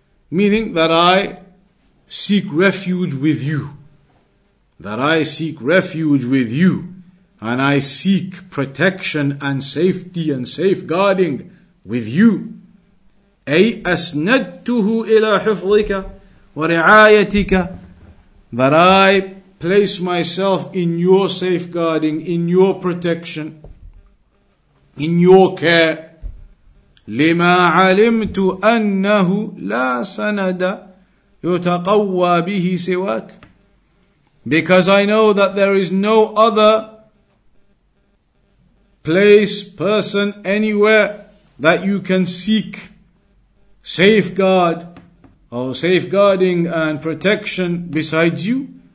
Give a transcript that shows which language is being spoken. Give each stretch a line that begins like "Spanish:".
English: Meaning that I seek refuge with you. That I seek refuge with you, and I seek protection and safety and safeguarding with you.
Arabic: أي أسندته إلى حفظك ورعايتك.
English: That I place myself in your safeguarding, in your protection, in your care.
Arabic: لما علمت أنه لا سند يتقوى به سواك.
English: Because I know that there is no other place, person, anywhere that you can seek safeguard or safeguarding and protection besides you.